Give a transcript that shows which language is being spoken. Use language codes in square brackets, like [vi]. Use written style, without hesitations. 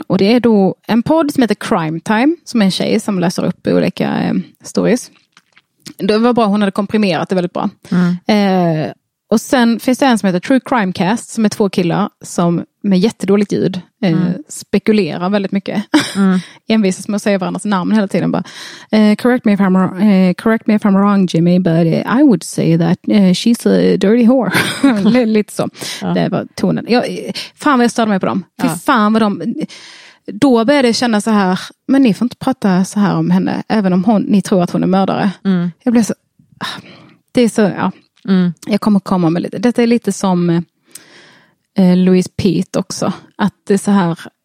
[sv] Och det är då en podd som heter Crime Time. Som är en tjej som läser upp olika stories. Det var bra, hon hade komprimerat det väldigt bra. Mm. Och sen finns det en som heter True Crime Cast. Som är 2 killar som... med jättedåligt ljud, spekulerar väldigt mycket. Mm. Envisas med att säga varandras namn hela tiden. Bara, [en] correct me if I'm wrong, Jimmy, but I would say that she's a dirty whore. [sv] Lite så. Ja. Det var tonen. Fan vad jag stödde mig på dem. Ja. Fan vad de... Då började jag känna så här, men ni får inte prata så här om henne, även om hon, ni tror att hon är mördare. Mm. Jag blev så... Det är så, ja. Mm. Jag kommer komma med lite. Detta är lite som... Louise Pete också. Att det är så här...